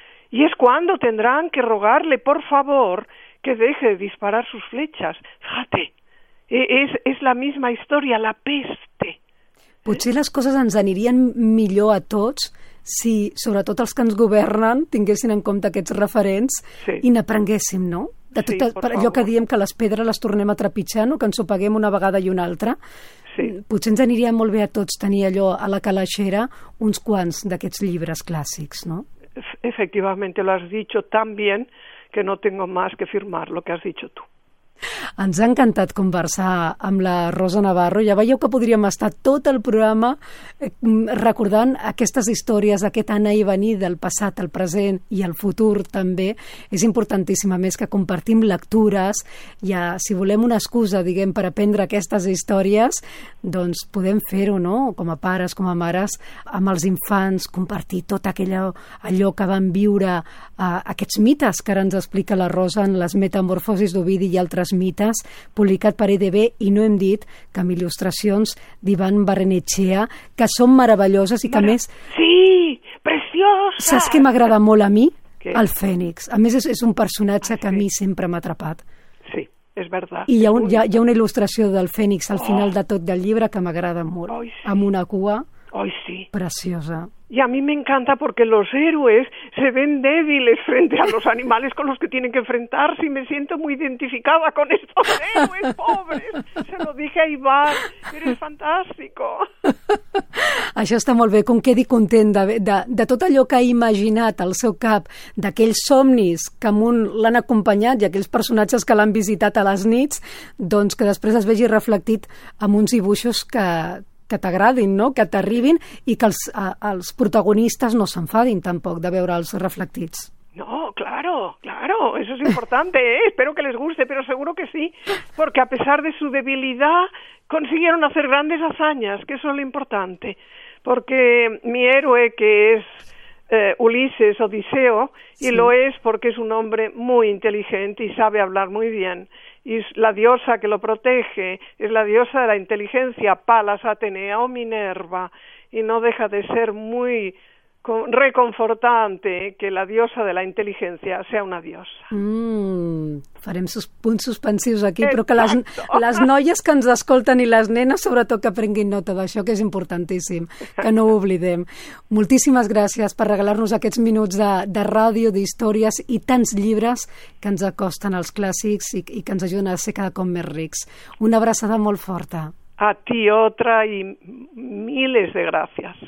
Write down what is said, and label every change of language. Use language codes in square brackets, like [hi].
[es] Y es cuando tendrán que rogarle, por favor, que deje de disparar sus flechas. Fíjate, es la misma historia, la peste. [ca] Potser les coses ens anirien millor a tots si, sobretot els que ens governen, tinguessin en compte aquests referents, sí, i n'aprenguéssim, no? De tot, sí, per allò que diem que les pedres les tornem a trepitjar, no? Que ens ho paguem una vegada i una altra. Sí. Potser ens aniria molt bé a tots tenir allò a la calaixera uns quants d'aquests llibres clàssics, no? [es] Efectivament, lo has dicho tan bien que no tengo más que firmar lo que has dicho tú. [ca] Ens ha encantat conversar amb la Rosa Navarro. Ja veieu que podríem estar tot el programa recordant aquestes històries, aquest anar i venir del passat al present i al futur també. És importantíssim, a més, que compartim lectures. Ja, si volem una excusa, diguem, per aprendre aquestes històries, doncs podem fer-ho, no?, com a pares, com a mares, amb els infants, compartir tot allò que van viure, aquests mites que ara ens explica la Rosa en les Metamorfosis d'Ovidi i altres mites, publicat per EDB, i no hem dit que amb il·lustracions d'Ivan Barrenetxea, que són meravelloses i que més... Sí, preciosa! Saps què m'agrada molt a mi? [es] ¿Qué? [ca] El Fènix. A més, és un personatge que a mi sempre m'ha atrapat. Sí, és verdad. I hi ha una il·lustració del Fènix al final de tot del llibre que m'agrada molt. Oh, sí. Amb una cua... Ay, sí. Preciosa. [es] Y a mí me encanta porque los héroes se ven débiles frente a los animales con los que tienen que enfrentarse y me siento muy identificada con estos héroes, pobres. Se lo dije a Iván, eres fantástico. [ca] Això està molt bé, com quedi content de tot allò que ha imaginat al seu cap, d'aquells somnis que amunt l'han acompanyat i aquells personatges que l'han visitat a les nits, doncs que després es vegi reflectit amb uns dibuixos que que t'agradin, no? Que t'arribin i que els protagonistes no s'enfadin tampoc de veure'ls reflectits. [es] No, claro, claro, eso es importante, ¿eh? Espero que les guste, pero seguro que sí, porque a pesar de su debilidad consiguieron hacer grandes hazañas, que eso es lo importante, porque mi héroe, que es Ulises, Odiseo, y sí, lo es porque es un hombre muy inteligente y sabe hablar muy bien, y la diosa que lo protege es la diosa de la inteligencia, Palas Atenea o Minerva, y no deja de ser muy reconfortante que la diosa de la inteligencia sea una diosa. [ca] Farem sus punts suspensius aquí. [es] Exacto. [ca] Però que les noies que ens escolten i les nenes, sobretot, que prenguin nota d'això, que és importantíssim, que no ho oblidem. Moltíssimes gràcies per regalar-nos aquests minuts de ràdio, d'històries i tants llibres que ens acosten als clàssics i que ens ajuden a ser cada cop més rics. Una abraçada molt forta. [es] A ti otra y miles de gracias.